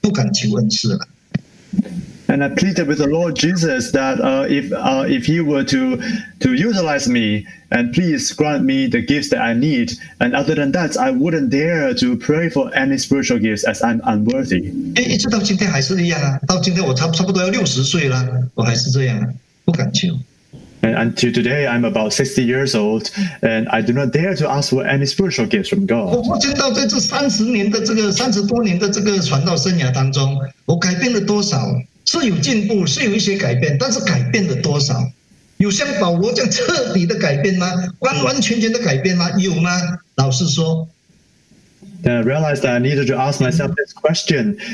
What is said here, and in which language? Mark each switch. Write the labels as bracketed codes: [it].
[zh] 那牧养就会需要恩赐啊，所以我就跟主耶稣说：主啊，如果你觉得我需要用我的时候，需要用我了，用我的时候，那你就给我了。如果你觉得啊，我不配得到，那就照你的意思吧。我就是最后我就像主耶稣这样讲，不敢求恩赐了。 [en] And I pleaded with the Lord Jesus that if he were to utilize me, and please grant me the gifts that I need, and other than that, I wouldn't dare to pray for any spiritual gifts as I'm unworthy. [zh] 一直到今天还是一样啊，到今天我差不多要60岁了，我还是这样，不敢求。 [en] And until today, I'm about 60 years old, and I do not dare to ask for any spiritual gifts from God. [zh] 我见到在这三十多年的传道生涯当中，我改变了多少？是有进步，是有一些改变，但是改变了多少？有像保罗这样彻底的改变吗？完完全全的改变吗？有吗？老实说。 [en] Then I realized that I needed to ask myself this question.